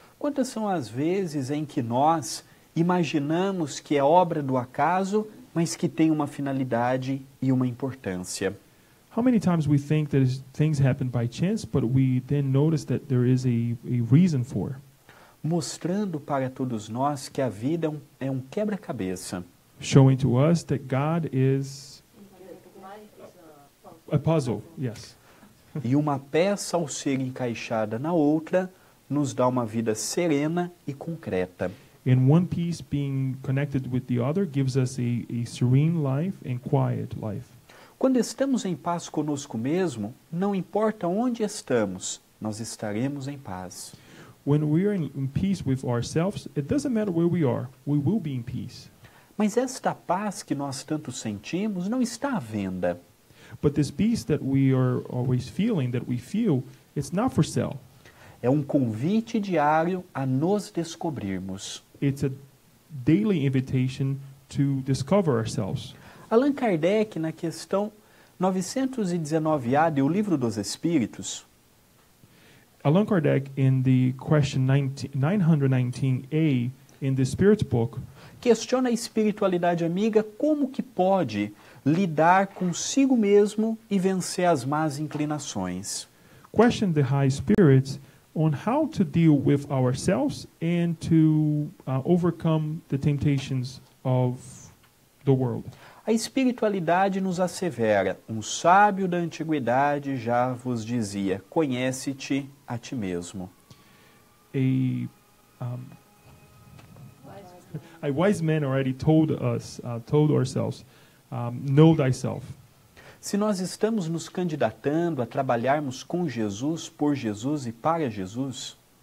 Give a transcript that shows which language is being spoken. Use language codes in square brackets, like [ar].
[pt] Quantas são as vezes em que nós imaginamos que é obra do acaso, mas que tem uma finalidade e uma importância? [en] How many times we think that things happen by chance, but we then notice that there is a reason for? [pt] Mostrando para todos nós que a vida é um quebra-cabeça. [en] Showing to us that God is a puzzle, yes. [pt] E uma peça ao ser encaixada na outra nos dá uma vida serena e concreta. [en] And one piece being connected with the other gives us a serene life and quiet life. [pt] Quando estamos em paz conosco mesmo, não importa onde estamos, nós estaremos em paz. [en] When we are in peace with ourselves, it doesn't matter where we are, we will be in peace. [pt] Mas esta paz que nós tanto sentimos não está à venda. [en] But this peace that we are always feeling, that we feel, it's not for sale. [pt] É um convite diário a nos descobrirmos. [en] It's a daily invitation to discover ourselves. [pt] Allan Kardec, na questão 919A de O Livro dos Espíritos. [en] Allan Kardec, in the question 919A, in the Spirit Book, [pt] questiona a espiritualidade amiga como que pode lidar consigo mesmo e vencer as más inclinações. [en] Question the high spirits on how to deal with ourselves and to overcome the temptations of the world. [pt] A espiritualidade nos assevera, um sábio da antiguidade já vos dizia, conhece-te a ti mesmo. [en] A wise man already told us, told ourselves, know thyself. [pt] Se nós estamos nos candidatando a trabalharmos com Jesus, por Jesus e para Jesus,